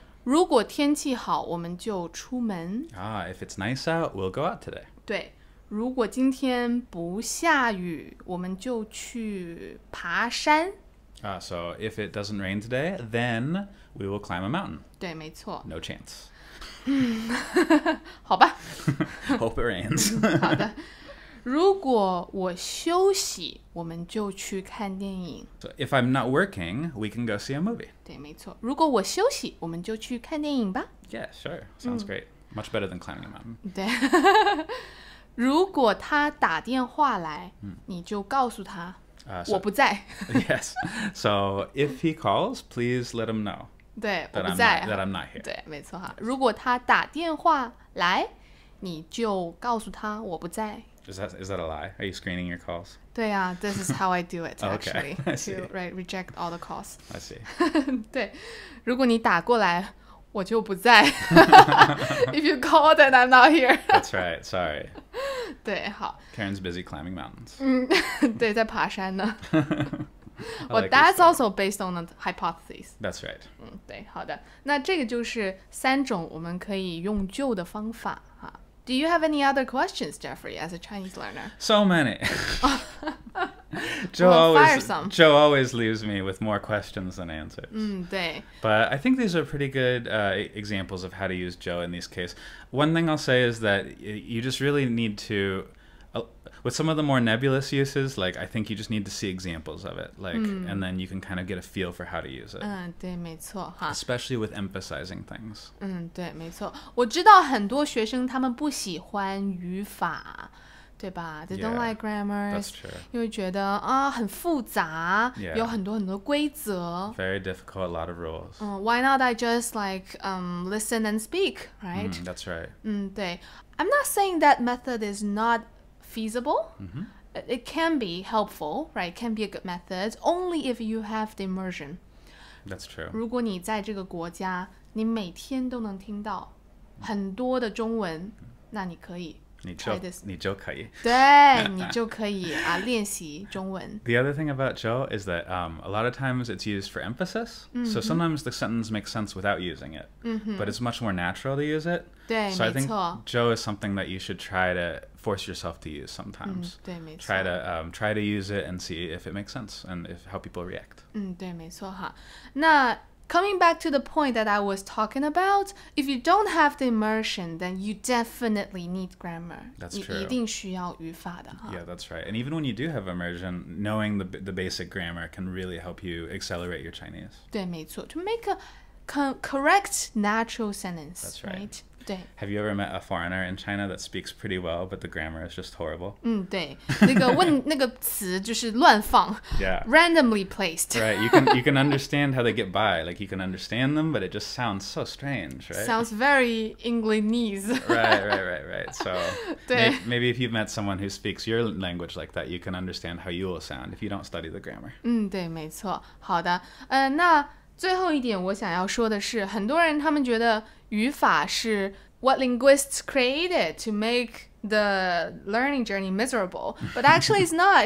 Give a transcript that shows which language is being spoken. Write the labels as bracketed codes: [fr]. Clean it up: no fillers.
[zh] 如果天气好，我们就出门。 [en] Ah, if it's nice out, we'll go out today. [zh] 对。如果今天不下雨，我们就去爬山。 [en] So if it doesn't rain today, then we will climb a mountain. [zh] 对，没错。 [en] No chance. [zh] 好吧。 [en] Hope it rains. [zh] 好的。如果我休息，我们就去看电影。 [en] So if I'm not working, we can go see a movie. [zh] 对，没错。如果我休息，我们就去看电影吧。 [en] Yeah, sure. Sounds great. Much better than climbing a mountain. [zh] 对。如果他打电话来，你就告诉他 [en] so, [zh] 我不在。 [en] Yes. So if he calls, please let him know. [zh] 对，我不在。 [en] That I'm not here. [zh] 对，没错哈。如果他打电话来，你就告诉他我不在。 [en] Is that a lie? Are you screening your calls? [zh] 对啊， [en] this is how I do it, actually. Okay, I see. To, right, reject all the calls. I see. [zh] 对，如果你打过来，我就不在。 [en] If you call, then I'm not here. That's right, sorry. [zh] 对，好。 [en] Karen's busy climbing mountains. [zh] 对，在爬山呢。 [en] Well, that's also based on a hypothesis. That's right. [zh] 对，好的。那这个就是三种我们可以用旧的方法。 [en] Do you have any other questions, Jeffrey, as a Chinese learner? So many. Joe always leaves me with more questions than answers. [zh] 对。 [en] But I think these are pretty good examples of how to use Joe in these cases. One thing I'll say is that you just really need to, with some of the more nebulous uses, like I think you just need to see examples of it. Like, and then you can kind of get a feel for how to use it. [zh] 对，没错。 [en] 哈。 Especially with emphasizing things. [zh] 对，没错。我知道很多学生他们不喜欢语法。对吧 ？ [en] They don't like grammar. That's true. [zh] 因为觉得啊很复杂， [en] yeah. [zh] 有很多很多规则。 [en] Very difficult. A lot of rules. Why not I just like listen and speak, right? That's right. [zh] 对。 [en] I'm not saying that method is not feasible. Mm-hmm. It can be helpful, right? It can be a good method only if you have the immersion. That's true. [zh] 如果你在这个国家，你每天都能听到很多的中文，那你可以。你就可以对你就可以啊练习中文 [en] The other thing about Joe is that a lot of times it's used for emphasis so sometimes the sentence makes sense without using it but it's much more natural to use it [zh] 对 [en] so I think Joe is something that you should try to force yourself to use sometimes [zh] 对没错 [en] try to use it and see if it makes sense and if how people react [zh] 对没错哈那 [en] Coming back to the point that I was talking about, if you don't have the immersion, then you definitely need grammar. That's true. [zh] 你一定需要语法的。 [en] Yeah, that's right. And even when you do have immersion, knowing the basic grammar can really help you accelerate your Chinese. [zh] 对，没错。 [en] To make a correct natural sentence. That's right. Right? [zh] 对。 [en] Have you ever met a foreigner in China that speaks pretty well, but the grammar is just horrible? [zh] 对。那个问那个词就是乱放。 [en] Yeah. Randomly placed. Right. You can understand how they get by. Like you can understand them, but it just sounds so strange, right? Sounds very Englishese. Right. So [zh] 对。 [en] Maybe if you've met someone who speaks your language like that, you can understand how you will sound if you don't study the grammar. [zh] 对，没错。好的。那最后一点我想要说的是，很多人他们觉得语法是 [en] what linguists created to make the learning journey miserable. But actually it's not.